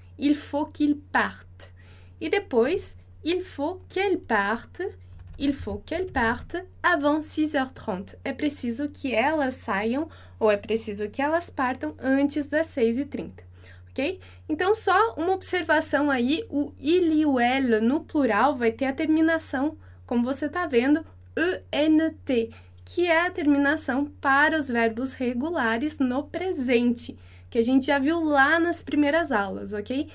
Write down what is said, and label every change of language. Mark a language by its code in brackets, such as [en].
[fr] Il faut qu'ils partent. [pt] E depois, [fr] il faut qu'elle parte. Il faut qu'elle parte avant 6h30. [pt] É preciso que elas saiam ou é preciso que elas partam antes das 6h30, ok? Então, só uma observação aí, o il e o elle no plural vai ter a terminação, como você está vendo, ENT, que é a terminação para os verbos regulares no presente, que a gente já viu lá nas primeiras aulas, ok?